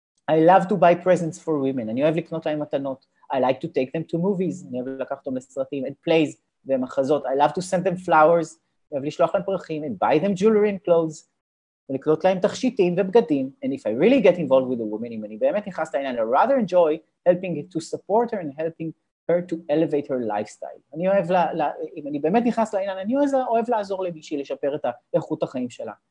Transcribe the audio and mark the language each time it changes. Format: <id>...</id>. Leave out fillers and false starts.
<en>I love to buy presents for women,</en> <he>אני אוהב לקנות להם מתנות.</he> <en>I like to take them to movies,</en> <he>אני אוהב לקחת אותם לסרטים,</he> <en>and plays ומחזות. I love to send them flowers,</en> <he>אני אוהב לשלוח להם פרחים,</he> <en>and buy them jewelry and clothes,</en> <he>ולקנות להם תכשיטים ובגדים.</he> <en>And if I really get involved with a woman,</en> <he>אם אני באמת נכנס לעניין,</he> <en>I'd rather enjoy helping to support her and helping her to elevate her lifestyle.</en> <he>אני אוהב, אם אני באמת נכנס לעניין, אני אוהב לעזור למישהי לשפר את איכות החיים שלה.</he>